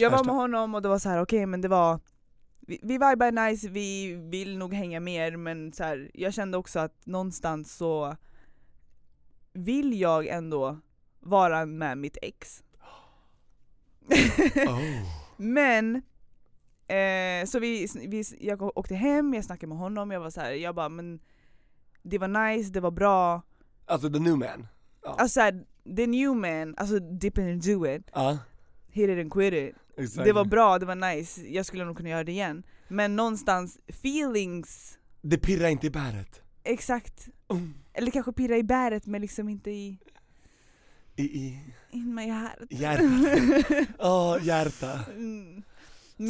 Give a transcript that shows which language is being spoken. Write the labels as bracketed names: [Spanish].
[Swedish] Jag var med honom och det var så här, okej, men det var... Vi vibe är nice, vi vill nog hänga mer, men så här, jag kände också att någonstans så vill jag ändå vara med mitt ex. Oh. Men så vi jag åkte hem, jag snackade med honom, jag var så här, jag bara, men det var nice, det var bra. Alltså [English] the new man. Oh. [Swedish] Alltså [English] the new man, alltså dip in and do it. Hit it and quit it. Exactly. [Swedish] Det var bra, det var nice. Jag skulle nog kunna göra det igen. Men någonstans, feelings... Det pirrar inte i bäret. Exakt. Eller kanske pirrar i bäret, men liksom inte i... I... [English] In my heart. [Swedish] Hjärta. Åh, hjärta. Men...